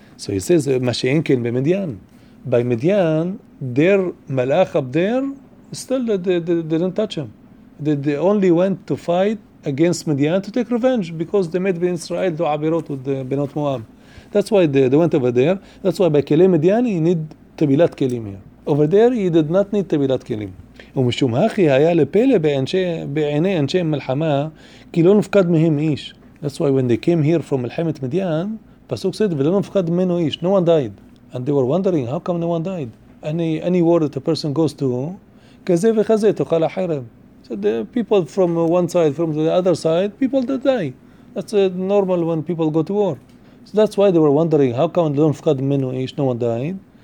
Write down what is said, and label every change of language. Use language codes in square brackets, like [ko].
[en] So he says, Mashiinkin be Midian. By Midian, their Malach up there, still they didn't touch him. They only went to fight against Midian to take revenge because they made Ben Israel do Abirot with the Benot Moab. That's why they went over there. That's why by Kelim Midian, he need Tabilat Kelim here. Over there, he did not need Tabilat Kelim. [he] ומשום הכי היה לפלא בעיני אנשי מלחמה כי לא נפקד מהם איש. [en] That's why when they came here from מלחמת מדיין, פסוק said, [he] ולא נפקד מנו איש. [en] No one died. And they were wondering, how come no one died? Any war that a person goes to, [he] כזה וכזה תאכל החרב. [en] So the people from one side, from the other side, people that die. That's normal when people go to war. So that's why they were wondering, how come [he] לא נפקד מנו איש, [en] no one died?